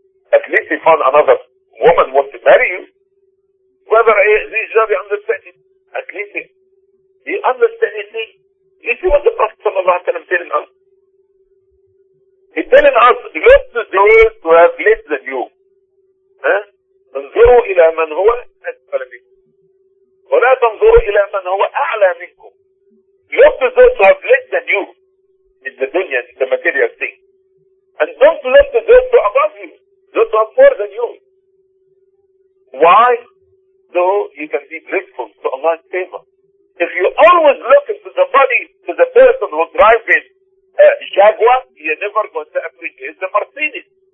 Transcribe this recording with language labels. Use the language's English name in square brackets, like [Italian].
[English] At least he found another woman wants to marry you. Whether he understands it, at least he understands. Allah is telling us. He's telling us, look to those who have less than you. [Arabic] انظروا إلى من هو أسفل منكم. ولا تنظروا إلى من هو أعلى منكم. [English] Look to those who have less than you in the dunya, in the material thing. And don't look to those who are above you, those who are more than you. Why? So you can be grateful to Allah's favor. If you always look into the body, to the person who drives a Jaguar, you're never going to appreciate the Mercedes.